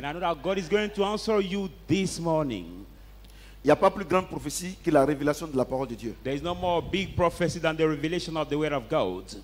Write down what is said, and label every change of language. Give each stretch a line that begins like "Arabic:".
English: And I know that God is going to answer you this morning.
French: Il n'y a pas plus grande prophétie que la révélation de la parole de Dieu.
English: There is no more big prophecy than the revelation of the word of God.